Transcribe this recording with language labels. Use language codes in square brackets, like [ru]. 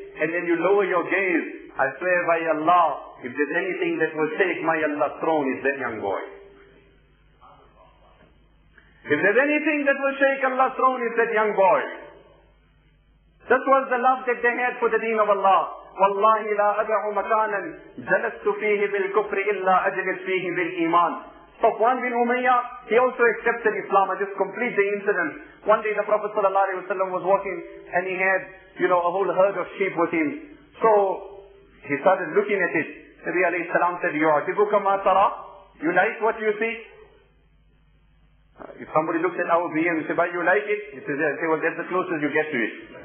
[en] And then you lower your gaze. I swear by Allah, if there's anything that will take my Allah's throne, is that young boy. If there's anything that will shake Allah's throne, it's that young boy. This was the love that they had for the deen of Allah. [ar] وَاللَّهِ لَا أَدْعُ مَكَانًا جَلَسْتُ فِيهِ بِالْكُفْرِ إِلَّا أَجْلِسْ فِيهِ بِالْإِيمَانِ [en] Safwan bin Umayyah, he also accepted Islam. I just complete the incident. One day the Prophet sallallahu alayhi wa sallam was walking and he had, you know, a whole herd of sheep with him. So he started looking at it. Nabi alayhi salam said, [ar] يُعْجِبُكَ مَا تَرَى? [en] You like what you see? If somebody looks at our being and says, but you like it? He says, yeah. Say, well, that's the closest you get to it.